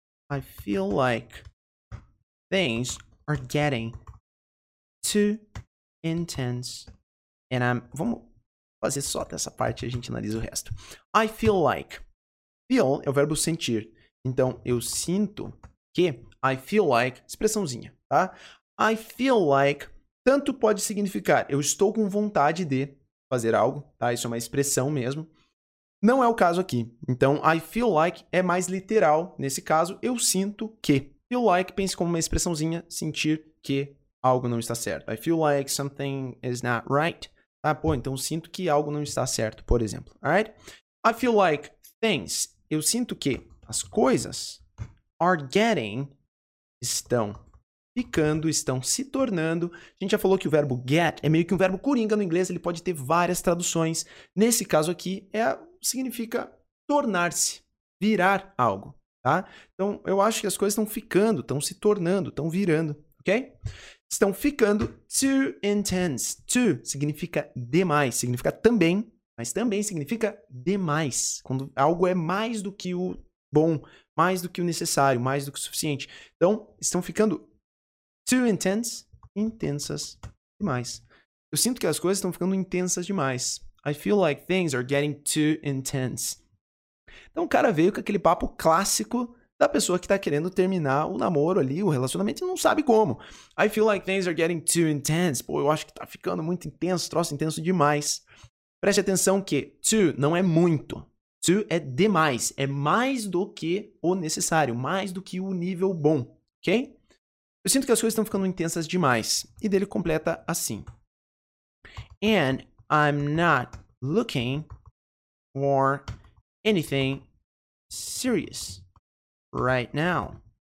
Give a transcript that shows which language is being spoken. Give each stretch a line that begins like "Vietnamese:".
English: I feel like things are getting too intense and I'm...
Portuguese: Vamos fazer só dessa parte e a gente analisa o resto.
English: I feel like.
Portuguese: Feel é o verbo sentir. Então, eu sinto que I feel like... Expressãozinha, tá?
English: I feel like
Portuguese: tanto pode significar eu estou com vontade de fazer algo, tá? Isso é uma expressão mesmo. Não é o caso aqui. Então,
English: I feel like
Portuguese: é mais literal. Nesse caso, eu sinto que. Feel like, pense como uma expressãozinha, sentir que algo não está certo.
English: I feel like something is not right.
Portuguese: Ah, pô, então sinto que algo não está certo, por exemplo.
English: Alright? I feel like things.
Portuguese: Eu sinto que as coisas
English: are getting,
Portuguese: estão ficando, estão se tornando. A gente já falou que o verbo get é meio que um verbo coringa no inglês. Ele pode ter várias traduções. Nesse caso aqui, significa tornar-se, virar algo. Tá? Então, eu acho que as coisas estão ficando, estão se tornando, estão virando. Ok? Estão ficando
English: too intense.
Portuguese: Too significa demais. Significa também, mas também significa demais. Quando algo é mais do que o bom, mais do que o necessário, mais do que o suficiente. Então, estão ficando
English: too intense,
Portuguese: intensas demais. Eu sinto que as coisas estão ficando intensas demais.
English: I feel like things are getting too intense.
Portuguese: Então, o cara veio com aquele papo clássico da pessoa que tá querendo terminar o namoro ali, o relacionamento, e não sabe como.
English: I feel like things are getting too intense.
Portuguese: Pô, eu acho que tá ficando muito intenso, troço intenso demais. Preste atenção que too não é muito. Too é demais. É mais do que o necessário, mais do que o nível bom, ok? Eu sinto que as coisas estão ficando intensas demais. E dele completa assim.
English: And I'm not looking for anything serious right now.